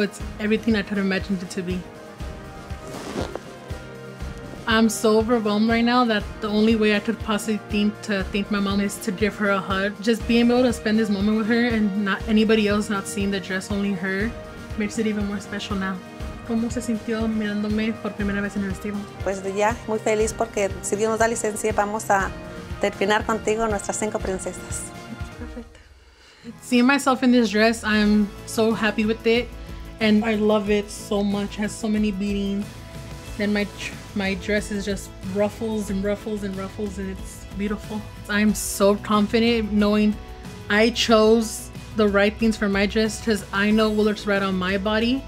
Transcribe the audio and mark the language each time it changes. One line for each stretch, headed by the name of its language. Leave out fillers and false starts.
English: It's everything I could have imagined it to be. I'm so overwhelmed right now that the only way I could possibly think to thank my mom is to give her a hug. Just being able to spend this moment with her and not anybody else not seeing the dress, only her, makes it even more special now.
Spanish: ¿Cómo se sintió mirándome por primera vez en el vestido? Pues ya, muy feliz porque si Dios nos da licencia, vamos a terminar contigo nuestras cinco princesas.
English: Perfect. Seeing myself in this dress, I'm so happy with it. And I love it so much. It has so many beading. And my dress is just ruffles and ruffles and ruffles, and it's beautiful. I'm so confident knowing I chose the right things for my dress because I know what looks right on my body.